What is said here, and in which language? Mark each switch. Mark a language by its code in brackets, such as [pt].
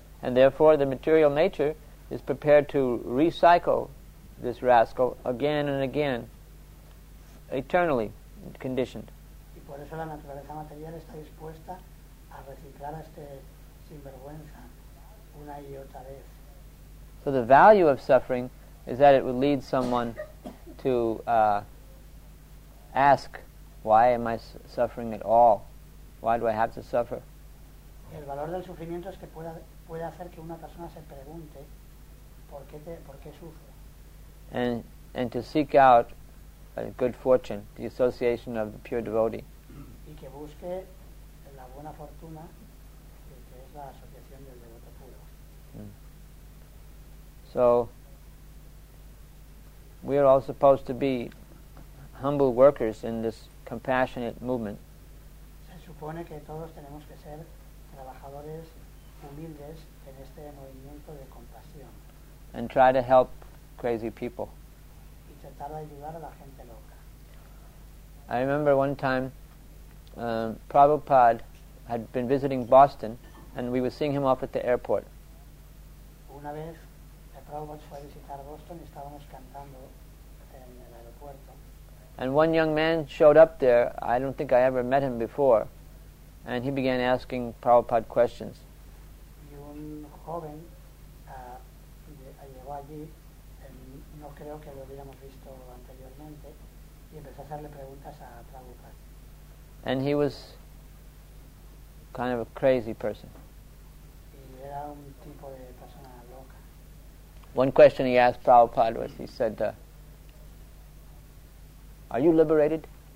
[en] And therefore the material nature is prepared to recycle this rascal again and again, eternally conditioned. [es] Y por eso la naturaleza material está dispuesta a reciclar a este sinvergüenza una y otra vez. [en] So the value of suffering is that it would lead someone to ask, why am I suffering at all? Why do I have to suffer? [es] El valor del sufrimiento es que puede hacer que una persona se pregunte, ¿por qué sufro? [en] And to seek out a good fortune, the association of the pure devotee. [es] Y que busque la bu- buena fortuna, que es la asociación del devoto puro. [en] So we are all supposed to be humble workers in this compassionate movement. [es] Se supone que todos tenemos que ser trabajadores humildes en este movimiento de compasión. [en] And try to help crazy people. [es] Y tratar de ayudar a la gente loca. [en] I remember one time Prabhupada had been visiting Boston and we were seeing him off at the airport. [es] Una vez Prabhupada fue a visitar Boston y estábamos cantando en el aeropuerto. [en] And one young man showed up there, I don't think I ever met him before, and he began asking Prabhupada questions. [es] Y un joven llegó allí, no creo que lo hubiéramos visto anteriormente, y empezó a hacerle preguntas a Prabhupada. [en] And he was kind of a crazy person. [es] Era un tipo de persona loca. [en] One question he asked Prabhupada was, he said, are you liberated?